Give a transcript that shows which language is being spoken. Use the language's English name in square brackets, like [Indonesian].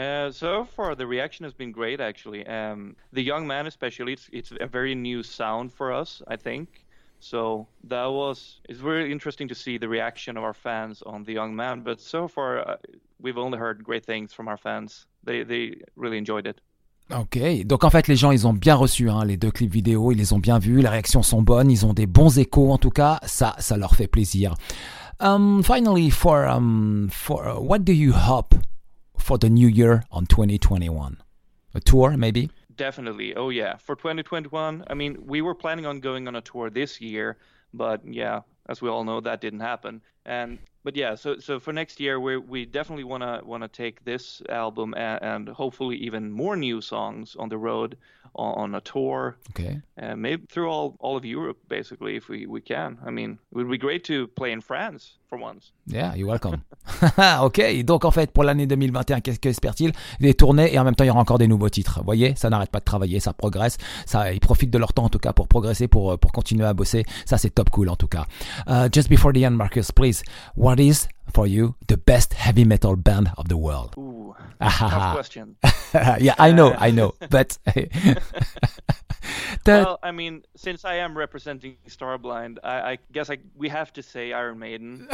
[English] So far, the reaction has been great, actually. The Young Man, especially, it's a very new sound for us, I think. So it's really interesting to see the reaction of our fans on The Young Man. But so far, we've only heard great things from our fans. They really enjoyed it. [French] Ok, donc en fait les gens ils ont bien reçu hein, les deux clips vidéo, ils les ont bien vus, les réactions sont bonnes, ils ont des bons échos en tout cas, ça leur fait plaisir. [English] Finally, for what do you hope for the new year on 2021? A tour, maybe? Definitely. Oh yeah. For 2021, I mean, we were planning on going on a tour this year, but yeah, as we all know, that didn't happen. And but yeah, so for next year, we definitely wanna take this album and hopefully even more new songs on the road on a tour, Okay. and maybe through all of Europe, basically, if we can. I mean, it would be great to play in France for once. Yeah, you're welcome. [French] Okay, donc en fait, pour l'année 2021, qu'est-ce qu'espère-t-il? Des tournées et en même temps, il y aura encore des nouveaux titres. Vous voyez, ça n'arrête pas de travailler, ça progresse. Ça, ils profitent de leur temps en tout cas pour progresser, pour continuer à bosser. Ça, c'est top cool en tout cas. [English] Just before the end, Marcus, please, what is for you the best heavy metal band of the world? Ooh, tough Ah, question. ha, ha. Yeah, I know, but the. Well, I mean, since I am representing Starblind, I guess we have to say Iron Maiden.